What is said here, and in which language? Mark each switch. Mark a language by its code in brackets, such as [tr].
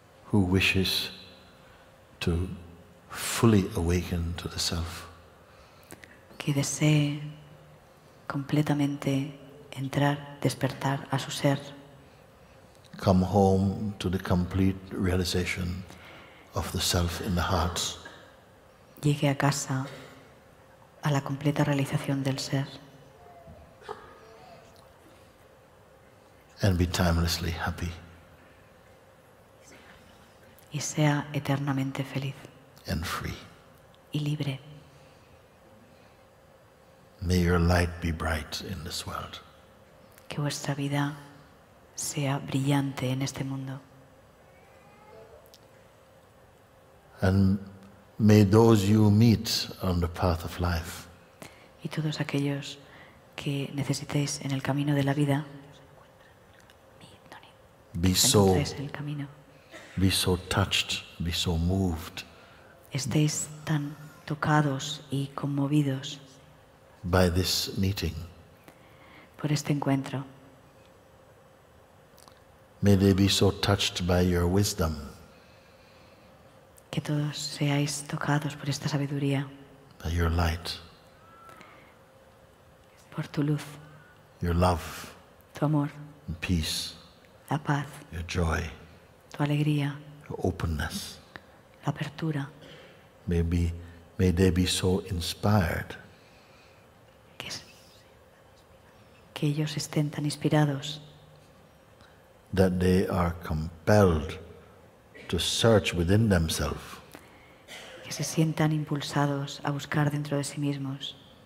[en] Who wishes to fully awaken to the self. [es] Que desee completamente entrar, despertar a su ser. [en] Come home to the complete realization of the self in the hearts. [es] Llegue a casa a la completa realización del ser. [en] And be timelessly happy. [es] Y sea eternamente feliz. [en] And free. [es] Y libre. [en] May your light be bright in this world. [es] Que vuestra vida sea brillante en este mundo. [en] And may those you meet on the path of life. [es] Y todos aquellos que necesitéis en el camino de la vida, [en] be so, [es] en el camino, [en] be so touched, be so moved, [es] estéis tan tocados y conmovidos [en] by this meeting, [es] por este encuentro. [en] May they be so touched by your wisdom, [es] que todos seáis tocados por esta sabiduría, [en] by your light. [es] Por tu luz, [en] your love, [es] tu amor, [en] and peace, [es] la paz, [en] your joy, [es] tu alegría, [en] your openness, [es] la apertura. [en] May they be so inspired, [es] que ellos estén tan inspirados, [en] that they are compelled to search within themselves, [es] que se sientan impulsados a buscar dentro de sí mismos.